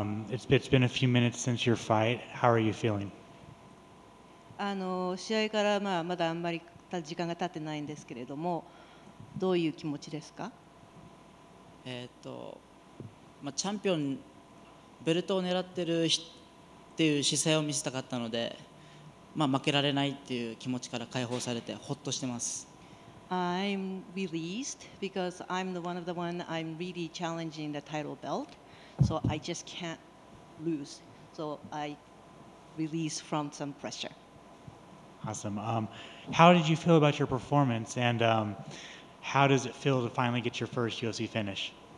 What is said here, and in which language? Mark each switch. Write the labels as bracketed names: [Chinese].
[English] It's been a few minutes since your fight. How are you feeling? [Japanese] あの、試合からまだあんまり時間が経ってないんですけれども、どういう気持ちですか?チャンピオンベルトを狙ってるっていう姿勢を見せたかったので、負けられないっていう気持ちから解放されてほっとしてます。 [English] I'm released because I'm the one of the one I'm really challenging the title belt, so I just can't lose. So I release from some pressure. Awesome. How did you feel about your performance, and how does it feel to finally get your first UFC finish?